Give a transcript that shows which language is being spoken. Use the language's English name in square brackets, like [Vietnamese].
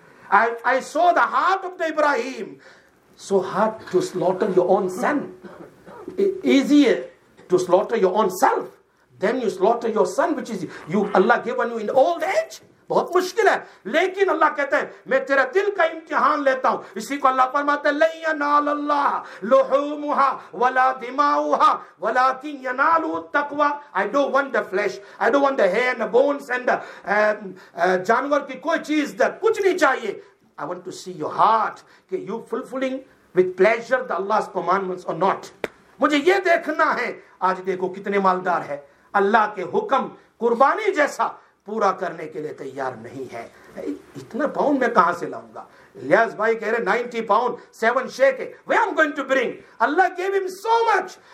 [English] I saw the heart of the Ibrahim, so hard to slaughter your own son, easier to slaughter your own self, then you slaughter your son, which is you, Allah given you in old age. [Urdu] بہت مشکل ہے, لیکن اللہ کہتا ہے میں تیرا دل کا امتحان لیتا ہوں. اسی کو اللہ فرماتا ہے, [Arabic] لن ینال اللہ لحومہا ولا دماؤہا ولکن ینالہ التقوی. [English] I don't want the flesh, I don't want the hair and the bones and [Urdu] جانور کی کوئی چیز, دا کچھ نہیں چاہیے. [English] I want to see your heart, کہ you fulfilling with pleasure the Allah's commandments or not. [Urdu] مجھے یہ دیکھنا ہے. آج دیکھو کتنے مالدار ہے, اللہ کے حکم قربانی جیسا پورا کرنے کے لیے تیار نہیں ہے. اتنا پاؤنڈ میں کہاں سے لاؤں گا؟ الیاس بھائی کہہ رہے [English] 90 pounds 7 shekels where I'm going to bring. Allah gave him so much.